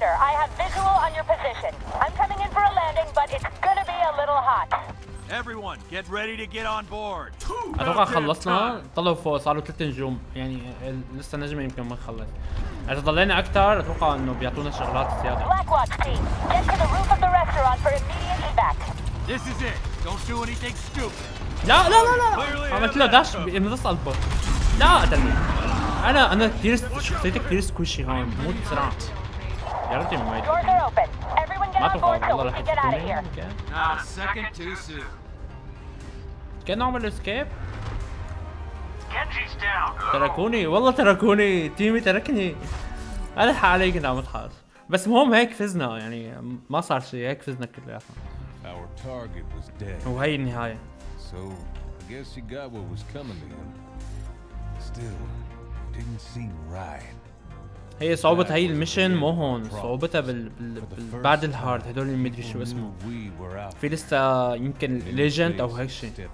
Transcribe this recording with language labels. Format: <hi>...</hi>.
<en>I have visual on your position. I'm coming in for a landing, but it's gonna be a little hot. Everyone, get ready to get on board.</en> <ar>أتوقع خلصنا. طلعوا فوق صاروا 3 نجوم. يعني لسه نجمة يمكن ما خلص. إذا ضلينا أكثر أتوقع إنه بيعطونا شغلات زيادة.</ar> <en>Blackwatch team, get to the roof of the restaurant for immediate evac. This is it. Don't do anything stupid.</en> <ar>لا لا لا لا. عملت له داش بنص قلبه. لا أدري. أنا كثير شخصيتي كثير سكوشي هون. مو بسرعة.</ar> <en>Doors are open. Everyone get on board so we can get out of here. Ah, second too soon. Can I make an escape? Kenji's down.</en> <ar>تركوني والله تركوني تيمي تركني. ألح عليك أنا متحاس. بس مهم هيك فزنا يعني ما صار شيء هيك فزنا كلياتنا.</ar> <en>Our target was dead.</en> <ar>وهي النهاية.</ar> <en>So I guess he got what was coming to him. Still, didn't seem right.</en> <ar>هي صعوبة هاي المشن مو هون صعوبتها بالبعد الهارد هدول اللي مدري شو اسمه في لسا يمكن ليجند او هيك شي</ar>